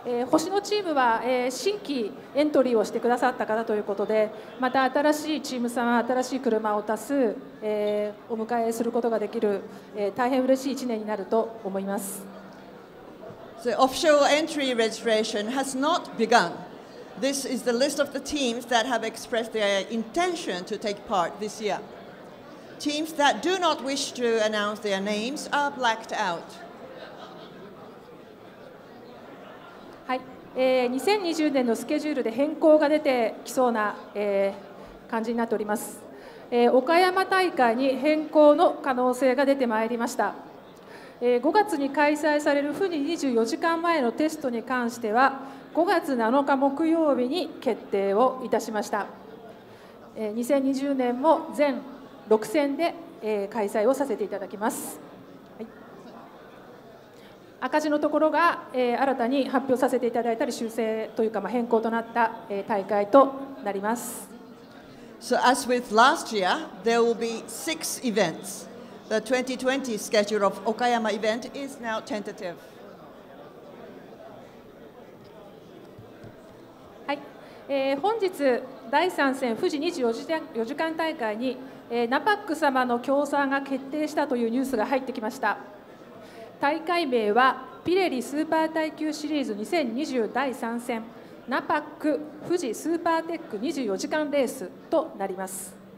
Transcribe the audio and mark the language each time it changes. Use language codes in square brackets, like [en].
[ja] 星野チームは、新規エントリーをしてくださった方ということで、また新しいチーム様、新しい車を多数、お迎えすることができる、大変嬉しい1年になると思います。 [en] The official entry registration has not begun. This is the list of the teams that have expressed their intention to take part this year. Teams that do not wish to announce their names are blacked out. [ja] 2020年のスケジュールで変更が出てきそうな、感じになっております。岡山大会に変更の可能性が出てまいりました。 5月に開催されるフニ24時間前のテストに関しては5月7日木曜日に決定をいたしました。 2020年も全6戦で、開催をさせていただきます。赤字のところが、新たに発表させていただいたり修正というか、まあ、変更となった、大会となります。 [en] So as with last year, there will be 6 events. The 2020 schedule of Okayama event is now tentative. [ja] はい、本日第3戦富士24時間大会に、ナパック様の協賛が決定したというニュースが入ってきました。大会名はピレリスーパー耐久シリーズ2020第3戦ナパック富士スーパーテック24時間レースとなります。